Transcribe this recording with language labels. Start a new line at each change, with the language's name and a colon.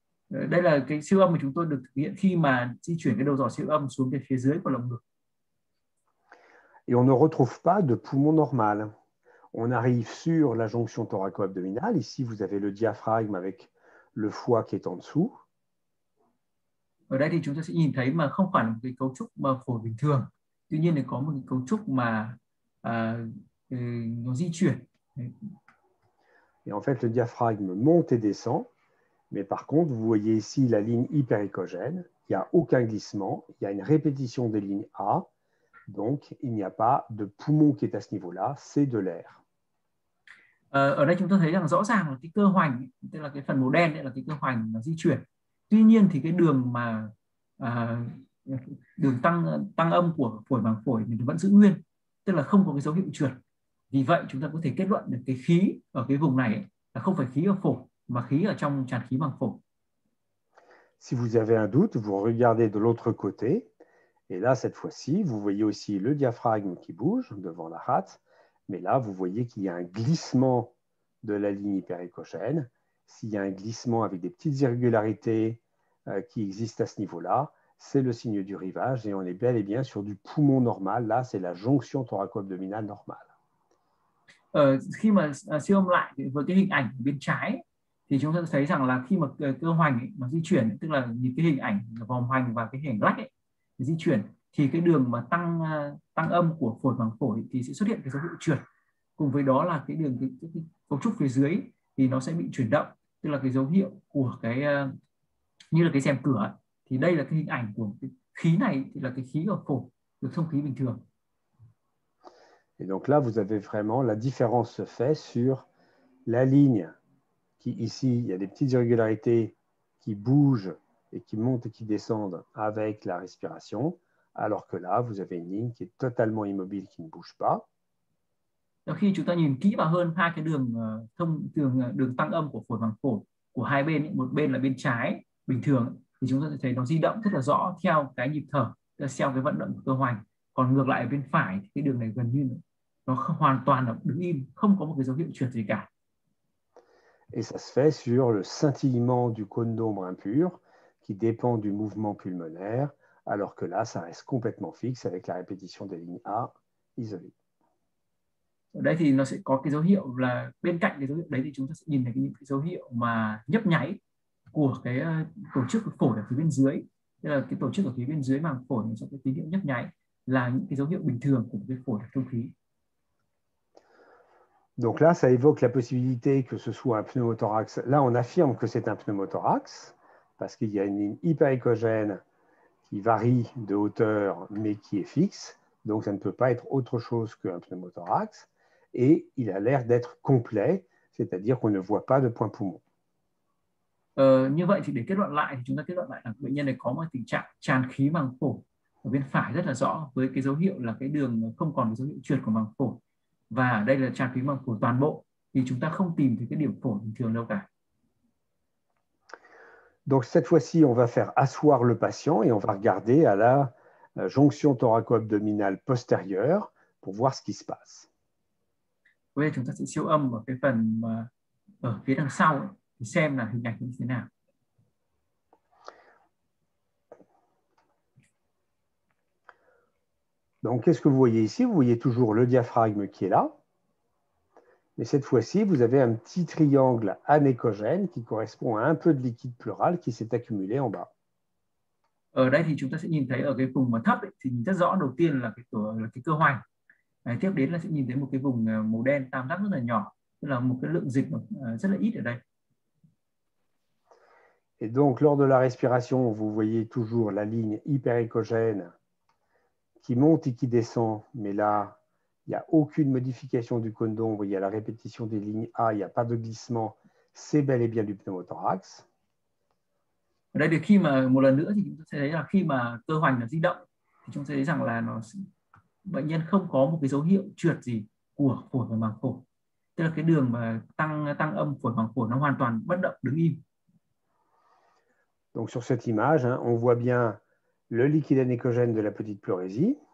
Vietnamese: Đây là cái siêu âm mà chúng tôi được thực hiện khi mà di chuyển cái đầu dò siêu âm xuống cái phía dưới của lồng ngực.
French: Et on ne retrouve pas de poumon normal. On arrive sur la jonction thoraco-abdominale. Ici, vous avez le diaphragme avec le foie qui est en dessous.
Vietnamese: Ở đây thì chúng ta sẽ nhìn thấy mà không phải là một cái cấu trúc mà phổi bình thường. Tuy nhiên thì có một cái cấu trúc mà nó di chuyển. Đấy.
French: Et en fait, le diaphragme monte et descend. Mais par contre, vous voyez ici la ligne hypericogène. Il n'y a aucun glissement. Il y a une répétition des lignes A. Donc, il n'y a pas de poumon qui est à ce niveau-là, c'est de l'air.
Vietnamese: Ở đây chúng ta thấy rằng rõ ràng là cái cơ hoành, tức là cái phần màu đen đấy là cái cơ hoành nó di chuyển. Tuy nhiên thì cái đường mà đường tăng tăng âm của phổi màng phổi thì vẫn giữ nguyên, tức là không có cái dấu hiệu trượt. Vì vậy chúng ta có thể kết luận được cái khí ở cái vùng này là không phải khí ở phổi mà khí ở trong tràn khí màng phổi.
French: Si vous avez un doute, vous regardez de l'autre côté. Et là, cette fois-ci, vous voyez aussi le diaphragme qui bouge devant la rate. Mais là, vous voyez qu'il y a un glissement de la ligne hypercochène. S'il y a un glissement avec des petites irrégularités qui existent à ce niveau-là, c'est le signe du rivage et on est bel et bien sur du poumon normal. Là, c'est la jonction thoraco-abdominale normale.
Vietnamese: Khi mà siêu âm lại với cái hình ảnh bên trái thì chúng ta thấy rằng là khi mà cơ hoành ấy, mà di chuyển, tức là những cái hình ảnh vòng hoành và cái hình lách ấy, di chuyển, thì cái đường mà tăng tăng âm của phổi màng phổi thì sẽ xuất hiện cái dấu hiệu trượt, cùng với đó là cái đường cái cấu trúc phía dưới thì nó sẽ bị chuyển động, tức là cái dấu hiệu của cái như là cái rèm cửa ấy. Thì đây là cái hình ảnh của cái khí này, thì là cái khí ở phổi được thông khí bình thường.
French: Et donc là, vous avez vraiment la différence se fait sur la ligne qui, ici, il y a des petites irrégularités qui bougent et qui montent et qui descendent avec la respiration, alors que là, vous avez une ligne qui est totalement immobile, qui ne bouge pas.
Vietnamese: Khi chúng ta nhìn kỹ vào hơn hai cái đường thông thường đường tăng âm của phổi màng phổi của hai bên, một bên là bên trái bình thường thì chúng ta sẽ thấy nó di động rất là rõ theo cái nhịp thở, theo cái vận động của cơ hoành, còn ngược lại bên phải thì cái đường này gần như nó hoàn toàn là đứng im, không có một cái dấu hiệu trượt gì cả.
French: Et ça se fait sur le scintillement du cône d'ombre impur qui dépend du mouvement pulmonaire, alors que là, ça reste complètement fixe avec la répétition des lignes A isolées.
Vietnamese: Ở đây thì nó sẽ có cái dấu hiệu là bên cạnh cái dấu hiệu đấy thì chúng ta sẽ nhìn thấy những cái dấu hiệu mà nhấp nháy của cái tổ chức của phổi ở phía bên dưới. Thế là cái tổ chức ở phía bên dưới màng phổi nó sẽ có tín hiệu nhấp nháy là những cái dấu hiệu bình thường của cái phổi thông khí.
French: Donc là, ça évoque la possibilité que ce soit un pneumothorax. Là, on affirme que c'est un pneumothorax parce qu'il y a une ligne hypercochène qui varie de hauteur mais qui est fixe. Donc, ça ne peut pas être autre chose qu'un pneumothorax. Et il a l'air d'être complet, c'est-à-dire qu'on ne voit pas de point poumon.
Vietnamese: Như vậy thì để kết luận lại thì chúng ta kết luận lại là bệnh nhân này có một tình trạng tràn khí màng phổi ở bên phải rất là rõ, với cái dấu hiệu là cái đường không còn dấu hiệu trượt của màng phổi, và đây là tràn khí màng phổi toàn bộ thì chúng ta không tìm thấy cái điểm phổi bình thường đâu cả.
French: Donc cette fois-ci, on va faire asseoir le patient et on va regarder à la jonction thoraco-abdominale postérieure pour voir ce qui se passe.
Vietnamese: Bây giờ chúng ta sẽ siêu âm ở cái phần ở phía đằng sau ấy, xem là hình ảnh như thế nào.
French: Donc qu'est-ce que vous voyez ici? Vous voyez toujours le diaphragme qui est là. Mais cette fois-ci, vous avez un petit triangle anéchogène qui correspond à un peu de liquide pleural qui s'est accumulé en bas.
Vietnamese: Ở đây thì chúng ta sẽ nhìn thấy ở cái vùng mà thấp ấy, thì nhìn rất rõ, đầu tiên là cái cơ hoành. Đấy, tiếp đến là sẽ nhìn thấy một cái vùng màu đen tam giác rất là nhỏ, tức là một cái lượng dịch rất là ít ở đây.
French: Et donc, lors de la respiration, vous voyez toujours la ligne hypercogène qui monte et qui descend, mais là, il n'y a aucune modification du cône d'ombre, il y a la répétition des lignes A, il n'y a pas de glissement, c'est bel et bien du pneumothorax.
Vietnamese: Đây thì khi mà một lần nữa thì chúng ta sẽ thấy là khi mà cơ hoành nó di động thì chúng ta thấy rằng là nó bệnh nhân không có một cái dấu hiệu trượt gì của phổi và màng phổi, tức là cái đường mà tăng tăng âm phổi màng phổi nó hoàn toàn bất động đứng im.
French: Donc sur cette image, hein, on voit bien le liquide anéchogène de la petite pleurésie.